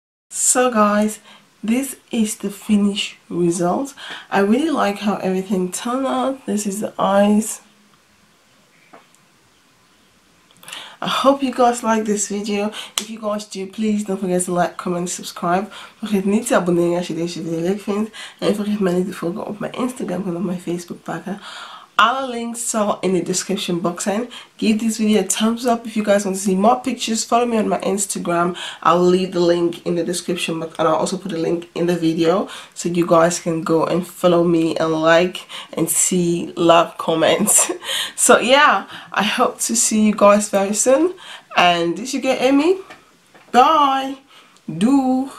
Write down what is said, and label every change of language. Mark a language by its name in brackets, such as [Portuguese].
[English] So guys, this is the finished result. I really like how everything turned out. This is the eyes. I hope you guys like this video. If you guys do, please don't forget to like, comment, subscribe. [Dutch] Vergeet niet te abonneren als je deze video leuk vindt. En vergeet me niet te volgen op mijn Instagram en op mijn Facebook pagina. Alle links zal in de description box zijn. [English] Give this video a thumbs up if you guys want to see more pictures. Follow me on my Instagram. I'll leave the link in the description box. And I'll also put a link in the video. So you guys can go and follow me and like and see love comments. So yeah, I hope to see you guys very soon. And this is your girl Emmy. Bye. Doei.